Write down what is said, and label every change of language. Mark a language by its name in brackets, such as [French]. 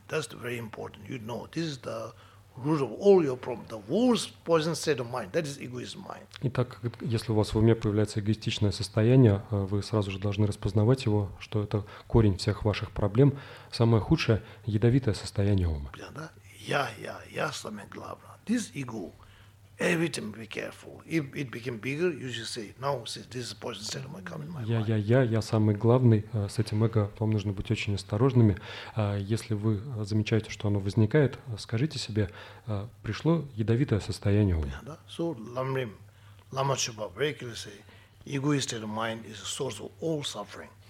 [English] That's very important. You know, this is the root of all your problems. The worst poison state of mind, that is egoist mind. [Russian] Итак, если у вас в уме появляется эгоистичное состояние, вы сразу же должны распознавать его, что это корень всех ваших проблем. Самое худшее – ядовитое состояние ума. Понятно, да? Я самое главное. [English] This ego, every time be careful. If it became bigger, you should say, now this is the poison state of my coming mind. [Russian] Я самый главный. С этим эго вам нужно быть очень осторожными. Если вы замечаете, что оно возникает, скажите себе, пришло ядовитое состояние ума. [English] Yeah, so Lamrim, Lama Chöpa, very clearly say, ego state of mind is the source of all suffering.